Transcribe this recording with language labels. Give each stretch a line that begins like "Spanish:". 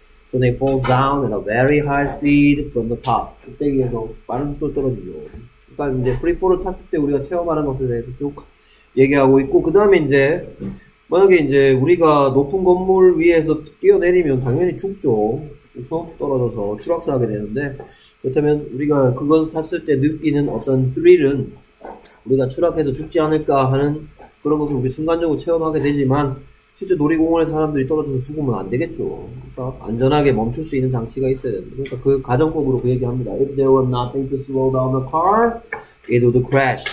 English: So they fall down at a very high speed from the top.
Korean: 뚝배기에서 빠른 속도로 떨어지죠. 일단 이제 프리폴을 탔을 때 우리가 체험하는 것에 대해서 쭉 얘기하고 있고, 그 다음에 이제 만약에 이제 우리가 높은 건물 위에서 뛰어내리면 당연히 죽죠. 그래서 떨어져서 추락사하게 되는데, 그렇다면 우리가 그것을 탔을 때 느끼는 어떤 스릴은 우리가 추락해서 죽지 않을까 하는 그런 것을 우리 순간적으로 체험하게 되지만, 실제 놀이공원에 사람들이 떨어져서 죽으면 안 되겠죠. 그러니까 안전하게 멈출 수 있는 장치가 있어야 됩니다. 그러니까 그 가정법으로 그 얘기합니다.
English: If there were nothing to slow down the car, it would crash.